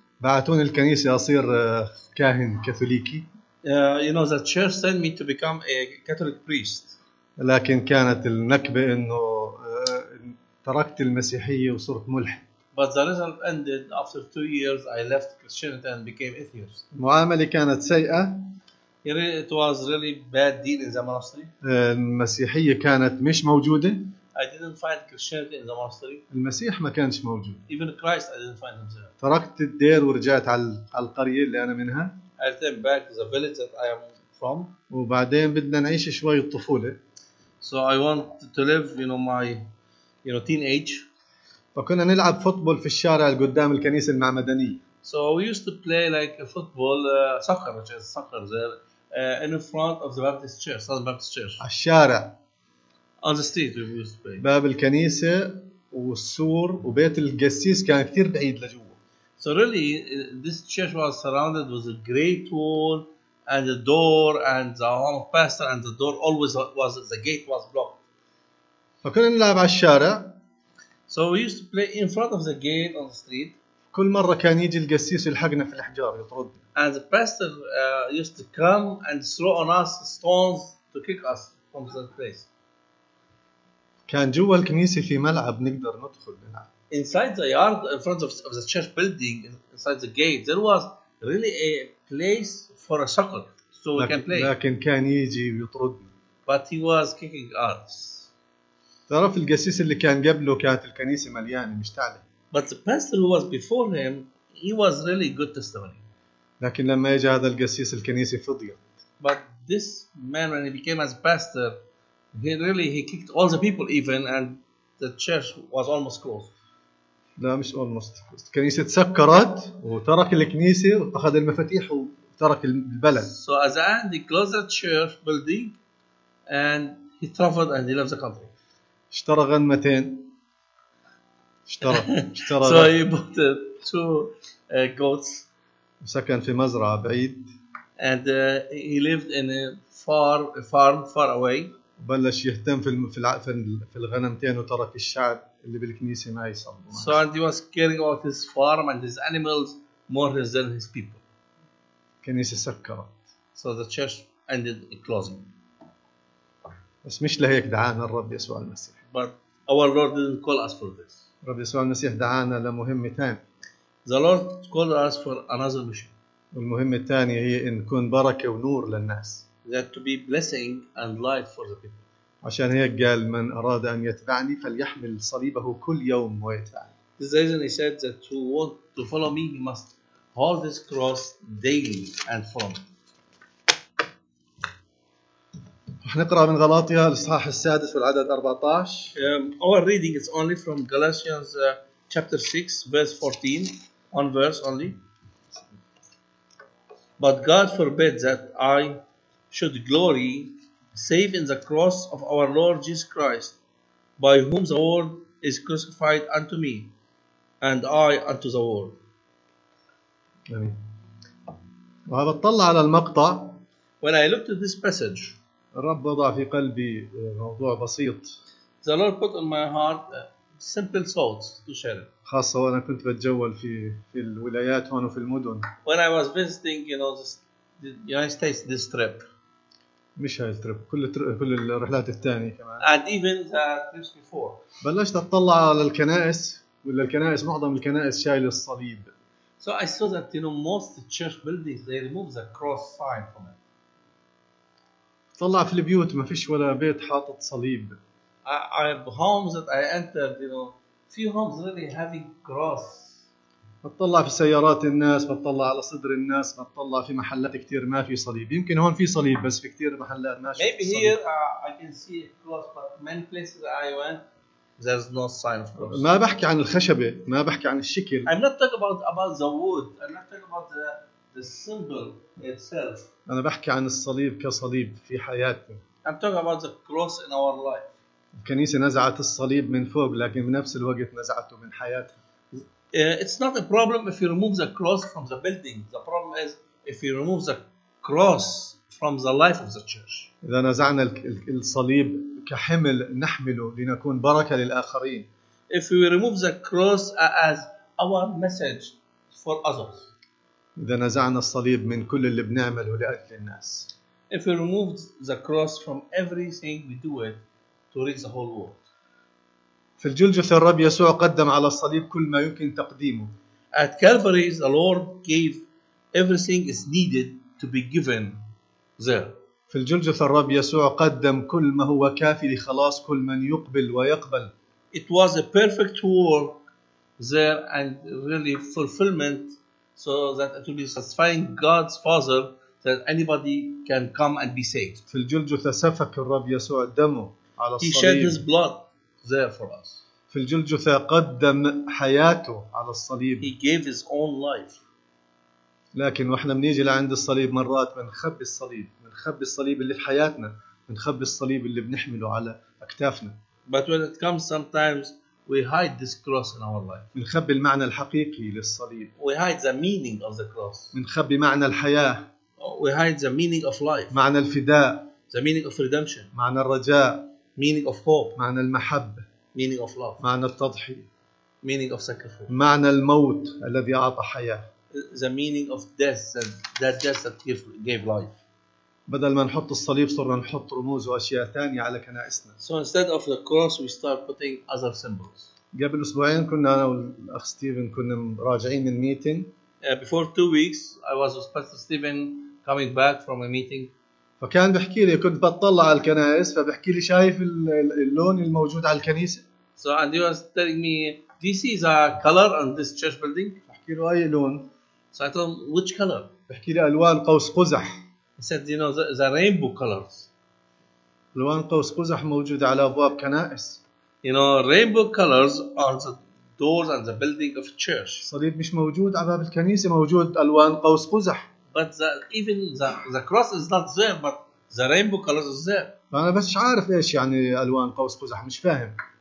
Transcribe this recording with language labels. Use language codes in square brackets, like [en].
[ar] بعتوني الكنيسة أصير كاهن كاثوليكي. [en] You know, the church sent me to become a Catholic priest. [ar] لكن كانت النكبة إنه تركت المسيحية وصرت ملحد. [en] But the result ended after 2 years. I left Christianity and became atheist. [ar] معاملة كانت سيئة. [en] It was really bad deal in the monastery. [ar] المسيحية كانت مش موجودة. [en] I didn't find Christianity in the monastery. [ar] المسيح ما كانش موجود. [en] Even Christ, I didn't find him there. [ar] تركت الدير ورجعت على القرية اللي أنا منها. [en] I returned back to the village that I am from. [ar] وبعدين بدنا نعيش شوية الطفولة. [en] So I want to live, you know, my, you know, teenage. [ar] فكنا نلعب فوتبول في الشارع قدام الكنيسة المعمدانية. [en] So we used to play like a football, soccer, which is soccer there, in front of the Baptist church, Southern Baptist church. [ar] على الشارع. [en] On the street we used to play. [ar] باب الكنيسة والسور وبيت القسيس كان كتير بعيد لجوا. [en] So really, this church was surrounded with a great wall and a door and the arm of pastor, and the door always was, the gate was blocked. [ar] فكنا نلعب على الشارع. [en] So we used to play in front of the gate on the street. [ar] كل مرة كان يجي القسيس يلحقنا في الحجار يطرد. [en] And the pastor used to come and throw on us stones to kick us from that place. [ar] كان جوا الكنيسة في ملعب نقدر ندخل نلعب. [en] Inside the yard, in front of the church building, inside the gate, there was really a place for a soccer, so we can play. [ar] لكن كان يجي ويطردنا. [en] But he was kicking us. [ar] تعرف القسيس اللي كان قبله كانت الكنيسة مليانة مشتعلة. [en] But the pastor who was before him, he was really good testimony. [ar] لكن لما يجى هذا القسيس الكنيسة فضيت. [en] But this man, when he became as pastor, he kicked all the people even, and the church was almost closed. [ar] لا مش almost. الكنيسة تسكرت وترك الكنيسة واخذ المفاتيح وترك البلد. [en] So as the end, he closed the church building and he traveled and he left the country. [ar] اشترى غنمتين. اشترى. [en] So he bought two goats. [ar] وسكن في مزرعة بعيد. [en] And he lived in a farm far away. [ar] بلش يهتم في الغنمتين وترك الشعب اللي بالكنيسة ما يصلي. [en] So and he was caring about his farm and his animals more than his people. [ar] الكنيسة سكرت. [en] So the church ended closing. [ar] بس مش لهيك دعانا الرب يسوع المسيح. [en] But our Lord didn't call us for this. [ar] الرب يسوع المسيح دعانا لمهمة تانية. [en] The Lord called us for another mission. [ar] والمهمة التانية هي إن نكون بركة ونور للناس. [en] That to be blessing and light for the people. [ar] عشان هيك قال من أراد أن يتبعني فليحمل صليبه كل يوم ويتبعني. [en] This reason he said that who want to follow me he must hold his cross daily and follow me. [ar] نقرأ من غلاطية الإصحاح السادس والعدد 14. [en] Our reading is only from Galatians chapter 6 verse 14, one verse only. But God forbid that I should glory save in the cross of our Lord Jesus Christ, by whom the world is crucified unto me, and I unto the world. [ar] آمين. وهذا اطلع على المقطع. [en] When I looked at this passage, [ar] الرب وضع في قلبي موضوع بسيط. [en] The Lord put in my heart simple thoughts to share. [ar] خاصة وأنا كنت بتجول في الولايات هون وفي المدن. [en] When I was visiting, you know, the United States this trip. [ar] مش هاي التريب كل الرحلات الثانية كمان. [en] And even the trips before. [ar] بلشت أطلع على الكنائس ولا الكنائس معظم الكنائس شايل الصليب. [en] So I saw that you know most church buildings they remove the cross sign from it. [ar] طلع في البيوت ما فيش ولا بيت حاطط صليب. [en] I have homes that I entered, you know, few homes really having cross. [ar] بتطلع في سيارات الناس، بتطلع على صدر الناس، بتطلع في محلات كتير ما في صليب. يمكن هون في صليب بس في كتير محلات ما في صليب. [en] Maybe here I can see a cross, but many places I went, there's no sign of cross. [ar] ما بحكي عن الخشبة، ما بحكي عن الشكل. [en] I'm not talking about the wood. I'm not talking about the symbol itself. [ar] أنا بحكي عن الصليب كصليب في حياتي. [en] I'm talking about the cross in our life. [ar] الكنيسة نزعت الصليب من فوق، لكن بنفس الوقت نزعته من حياتها. [en] It's not a problem if you remove the cross from the building. The problem is if you remove the cross from the life of the church. [ar] إذا نزعنا الصليب كحمل نحمله لنكون بركة للآخرين. [en] If we remove the cross as our message for others. [ar] إذا نزعنا الصليب من كل اللي بنعمله لأجل الناس. [en] If we remove the cross from everything we do it to reach the whole world. [ar] في الجلجث الرب يسوع قدم على الصليب كل ما يمكن تقديمه. [en] At Calvary, the Lord gave everything is needed to be given there. [ar] في الجلجث الرب يسوع قدم كل ما هو كافي لخلاص كل من يقبل ويقبل. [en] It was a perfect work there and really fulfillment so that it will be satisfying God's Father that anybody can come and be saved. [ar] في الجلجث سفك الرب يسوع دمه على الصليب. [en] He shed his blood. There for us. [ar] في الجلجثة قدم حياته على الصليب. [en] He gave his own life. [ar] لكن واحنا بنيجي لعند الصليب مرات بنخبي الصليب، بنخبي الصليب اللي في حياتنا، بنخبي الصليب اللي بنحمله على أكتافنا. [en] But when it comes sometimes we hide this cross in our life. [ar] بنخبي المعنى الحقيقي للصليب. [en] We hide the meaning of the cross. [ar] بنخبي معنى الحياة. [en] We hide the meaning of life. [ar] معنى الفداء. [en] The meaning of redemption. [ar] معنى الرجاء. [en] Meaning of hope. [ar] معنى المحبة. [en] Meaning of love. [ar] معنى التضحية. [en] Meaning of sacrifice. [ar] معنى الموت الذي أعطى حياة. [en] The meaning of death, that death that gave life. [ar] بدل ما نحط الصليب صرنا نحط رموز وأشياء ثانية على كنائسنا. [en] So instead of the cross, we start putting other symbols. [ar] قبل أسبوعين كنا أنا والأخ ستيفن كنا راجعين من ميتينج. [en] Before 2 weeks, I was with Pastor Stephen coming back from a meeting. [ar] فكان بحكي لي كنت بطلع على الكنائس فبحكي لي شايف اللون الموجود على الكنيسة. [en] So and he was telling me this is a color on this church building. [ar] بحكي له أي لون. [en] So I told him which color. [ar] بحكي لي ألوان قوس قزح. [en] He said you know the rainbow colors. [ar] ألوان قوس قزح موجودة على أبواب كنائس. [en] You know rainbow colors are the doors and the building of church. [ar] صليب مش موجود على باب الكنيسة موجود ألوان قوس قزح. [en] But even the cross is not there, but the rainbow colors is there. [ar] أنا بس عارف إيش يعني ألوان قوس قزح مش فاهم.